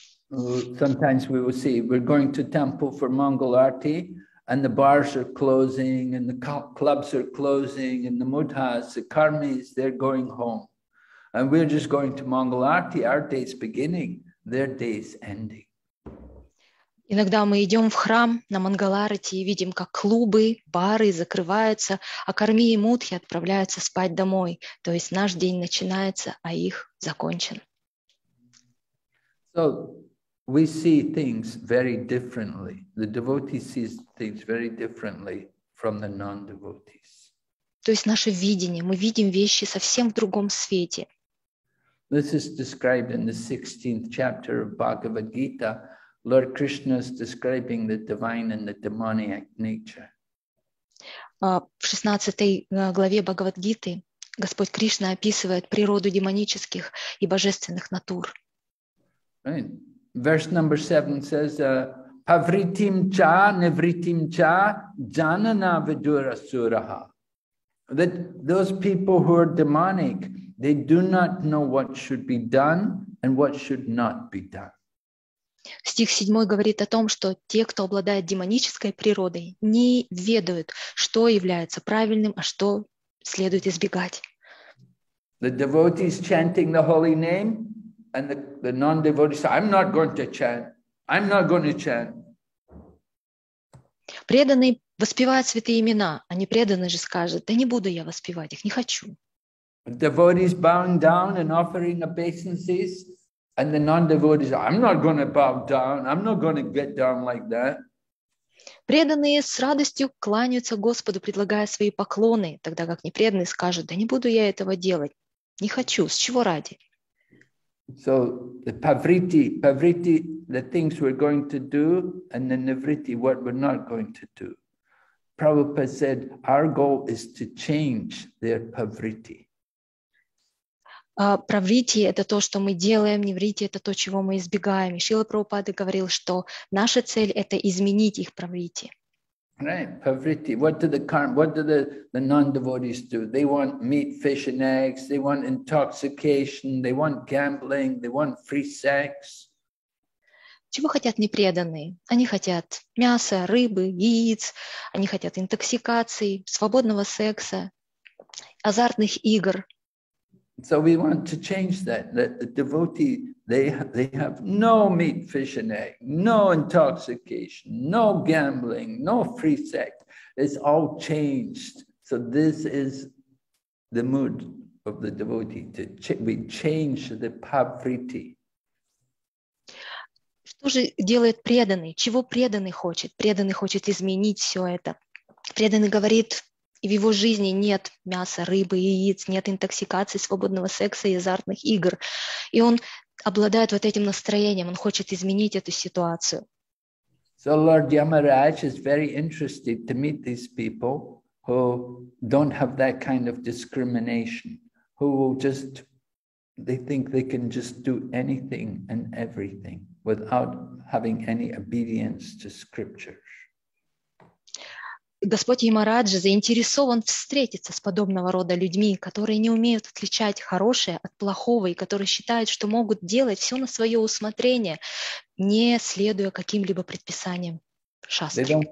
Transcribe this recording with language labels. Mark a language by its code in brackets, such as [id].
[en] Sometimes we will see, we're going to temple for Mangal Arti, and the bars are closing, and the clubs are closing, and the mudhas, the karmis, they're going home. And we're just going to Mangal Arti. Our day's beginning. Their day's ending. [ru] Иногда мы идем в храм на Мангал Арти и видим, как клубы, бары закрываются, а карми и мудхи отправляются спать домой. То есть наш день начинается, а их закончен. [en] So we see things very differently. The devotee sees things very differently from the non-devotees. [ru] То есть наше видение. Мы видим вещи совсем в другом свете. [en] This is described in the 16th chapter of Bhagavad Gita. Lord Krishna is describing the divine and the demoniac nature. [ru] В 16 главе Бхагавад Гиты Господь Кришна описывает природу демонических и божественных натур. [en] Right. Verse number 7 says, [sa] Pavritim cha nevritim cha janana vidura suraha. [en] That those people who are demonic, they do not know what should be done and what should not be done. [ru] Стих 7 говорит о том, что те, кто обладает демонической природой, не ведают, что является правильным, а что следует избегать. [en] The devotee is chanting the holy name, and the non-devotee says, I'm not going to chant. [ru] Преданный воспевает святые имена, а непреданный же скажет, да не буду я воспевать их, не хочу. [en] Devotees bowing down and offering obeisances, and the non-devotees, I'm not going to bow down. I'm not going to get down like that. [ru] Преданные с радостью кланяются Господу, предлагая свои поклоны, тогда как непреданный скажет, да не буду я этого делать, не хочу, с чего ради? [en] So the pavriti, the things we're going to do, and the nevriti, what we're not going to do. Prabhupada said, our goal is to change their pavriti. [ru] Правритти – это то, что мы делаем, невритти – это то, чего мы избегаем. И Шрила Прабхупада говорил, что наша цель – это изменить их правритти. [en] Right, правритти. What do the non-devotees do? They want meat, fish and eggs, they want intoxication, they want gambling, they want free sex. [ru] Чего хотят непреданные? Они хотят мяса, рыбы, яиц, они хотят интоксикации, свободного секса, азартных игр. [en] So we want to change that. That the devotee they have no meat, fish, and egg, no intoxication, no gambling, no free sex. It's all changed. So this is the mood of the devotee. We change the pavriti. [ru] Что же делает преданный? Чего преданный хочет? Преданный хочет изменить все это. Преданный говорит. И в его жизни нет мяса, рыбы, яиц, нет интоксикации, свободного секса и азартных игр. И он обладает вот этим настроением, он хочет изменить эту ситуацию. [en] So Lord Yamaraj is very interested to meet these people who don't have that kind of discrimination, who will just, they think they can just do anything and everything without having any obedience to scripture. [ru] Господь Ямараджа заинтересован встретиться с подобного рода людьми, которые не умеют отличать хорошее от плохого и которые считают, что могут делать все на свое усмотрение, не следуя каким-либо предписаниям шастры.